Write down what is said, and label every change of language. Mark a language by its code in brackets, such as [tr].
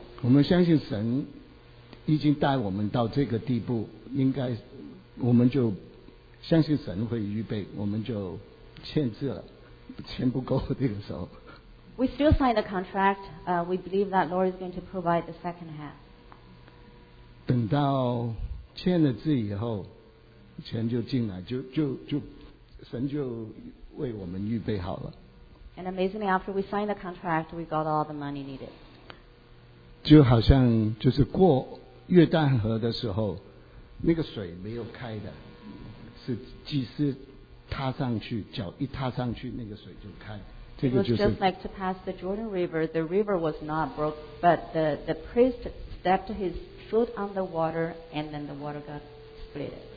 [zh] 我们相信神已经带我们到这个地步，应该我们就。相信神会预备，我们就签字了，钱不够这个时候。 [en] We still signed the contract. We believe that Lord is going to provide the second half. [zh] 等到签了字以后，钱就进来，就神就为我们预备好了。 [en] And amazingly, after we signed the contract, we got all the money needed. [zh] 就好像就是过约旦河的时候，那个水没有开的，是祭司踏上去，脚一踏上去，那个水就开。这个就是。 [en] It was just like to pass the Jordan River. The river was not broke, but the priest stepped his foot on the water, and then the water got split.